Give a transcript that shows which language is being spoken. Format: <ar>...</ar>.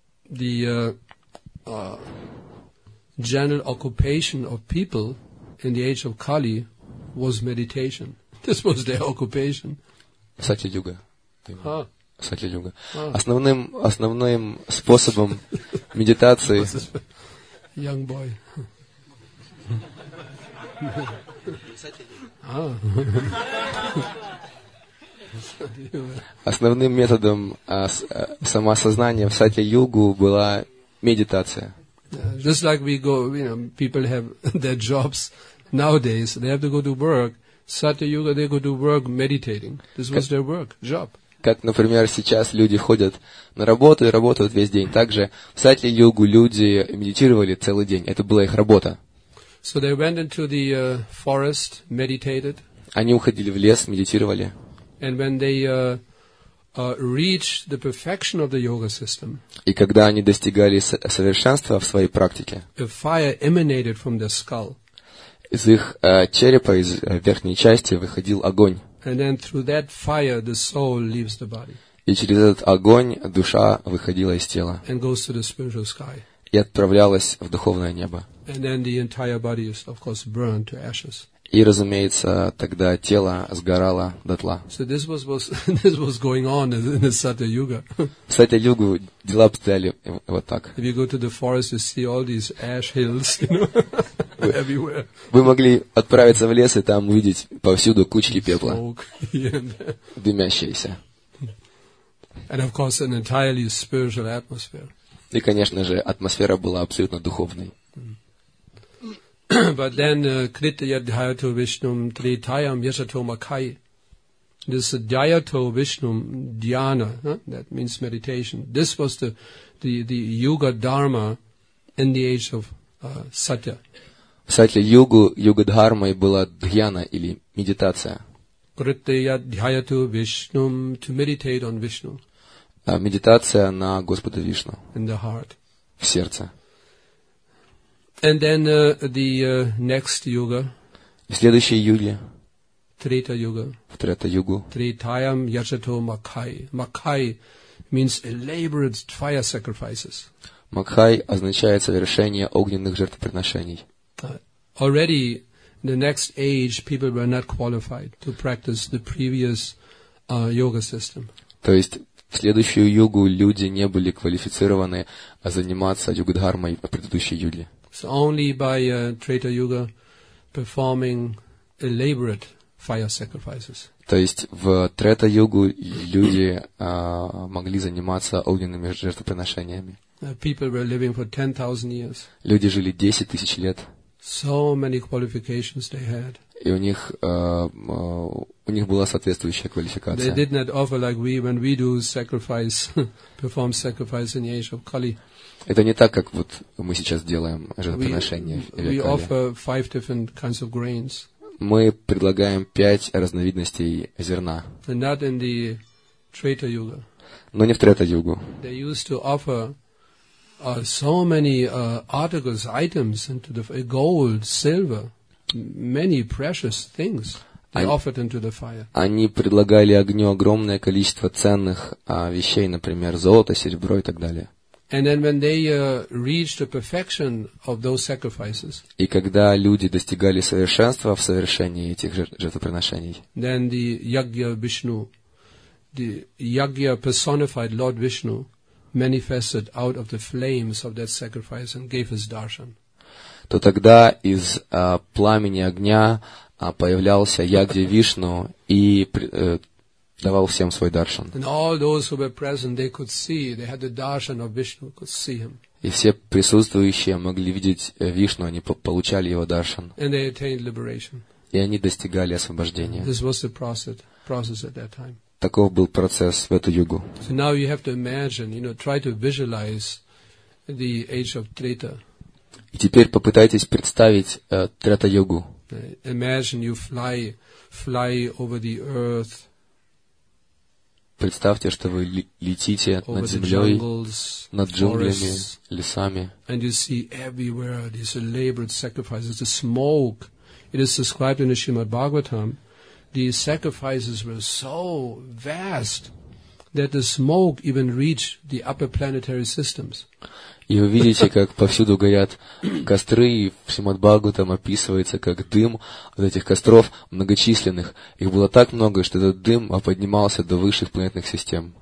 <en>The general occupation of people in the age of Kali was meditation. This was their occupation.</en> <ru>Сатья-йога. Сатья-йога. Основным способом медитации.</ru> <en>Young boy.</en> <ru>Основным методом самосознания в сатья-йогу была медитация.</ru> <en>Just like we go, you know, people have their jobs nowadays. They have to go to work. Сатья-йога, they go to work meditating. This was their work, job.</en> <ru>Как, например, сейчас люди ходят на работу и работают весь день. Также в сатья-йогу люди медитировали целый день. Это была их работа.</ru> <en>So they went into the forest, meditated.</en> <ru>Они уходили в лес, медитировали.</ru> <en>And when they reached the perfection of the yoga system.</en> <ru>И когда они достигали совершенства в своей практике.</ru> <en>A fire emanated from their skull.</en> <ru>Из их черепа, из верхней части выходил огонь.</ru> <en>And then through that fire the soul leaves the body.</en> <ru>И через этот огонь душа выходила из тела.</ru> <en>And goes to the spiritual sky.</en> <ru>И отправлялась в духовное небо.</ru> <en>And then the entire body is, of course, burned to ashes.</en> <ru>И, разумеется, тогда тело сгорало дотла.</ru> <en>So this was going on in the Satya-yuga.</en> <ru>В Сатья-йогу дела обстояли вот так.</ru> <en>If you go to the forest, you see all these ash hills, you know, everywhere.</en> <ru>Вы могли отправиться в лес и там увидеть повсюду кучки пепла, дымящиеся.</ru> <en>And of course, an entirely spiritual atmosphere.</en> <ru>И, конечно же, атмосфера была абсолютно духовной.</ru> <en>But then</en> <sa>Krita Dhyato Vishnum Tritayam Yasatomakai.</sa> <en>This Dhyato Vishnum Dhyana, that means meditation. This was the Yuga Dharma in the age of Satya.</en> <ru>Сатья Йогу Юга Дхармой была Дхьяна или медитация.</ru> <sa>Krita Dhyato Vishnum,</sa> <en>to meditate on Vishnu.</en> <ru>Медитация на Господа Вишну.</ru> <en>In the heart.</en> <ru>В сердце.</ru> <en>And then next yoga.</en> <ru>Следующая йога. Трита йога. В трита йогу.</ru> <sa>Тритаям яшато макхай.</sa> <en>Макхай means elaborate fire sacrifices.</en> <ru>Макхай означает совершение огненных жертвоприношений.</ru> <en>Already in the next age people were not qualified to practice the previous yoga system.</en> <ru>То есть в следующую йогу люди не были квалифицированы заниматься йога-дхармой в предыдущей йоге.</ru> <en>So only by Treta Yuga performing elaborate fire sacrifices.</en> <ru>То есть в Трета Йогу люди могли заниматься огненными жертвоприношениями.</ru> <en>People were living for 10,000 years.</en> <ru>Люди жили 10,000 лет.</ru> <en>So many qualifications they had.</en> <ru>И у них была соответствующая квалификация.</ru> <en>They did not offer like we when we do sacrifice, perform sacrifice in the age of Kali.</en> <ru>Это не так, как вот мы сейчас делаем жертвоприношение в веке.</ru> <en>We offer 5 different kinds of grains.</en> <ru>Мы предлагаем 5 разновидностей зерна.</ru> <en>And not in the Treta Yuga.</en> <ru>Но не в Трета Йогу.</ru> <en>They used to offer so many articles, items into the gold, silver, many precious things. They offered into the fire.</en> <ru>Они предлагали огню огромное количество ценных вещей, например, золото, серебро и так далее.</ru> <en>And then when they reach the perfection of those sacrifices,</en> <ru>и когда люди достигали совершенства в совершении этих жертвоприношений,</ru> <en>then the Yajna Vishnu, the Yajna personified Lord Vishnu, manifested out of the flames of that sacrifice and gave his darshan.</en> <ru>То тогда из пламени огня появлялся Ягья Вишну и давал всем свой даршан.</ru> <en>And all those who were present, they could see, they had the darshan of Vishnu, could see him.</en> <ru>И все присутствующие могли видеть Вишну, они получали его даршан.</ru> <en>And they attained liberation.</en> <ru>И они достигали освобождения.</ru> <en>This was the process at that time.</en> <ru>Таков был процесс в эту югу.</ru> <en>So now you have to imagine, you know, try to visualize the age of Treta.</en> <ru>И теперь попытайтесь представить Трета-йогу.</ru> <en>Imagine you fly over the earth.</en> <ru>Представьте, что вы летите над землей, над джунглями, лесами.</ru> <en>And you see everywhere these elaborate sacrifices, the smoke. It is described in the Srimad Bhagavatam. These sacrifices were so vast that the smoke even reached the upper planetary systems.</en> <ru>И вы видите, как повсюду горят костры, и в Шримад-Бхагаватам описывается, как дым от этих костров многочисленных. Их было так много, что этот дым поднимался до высших планетных систем.</ru>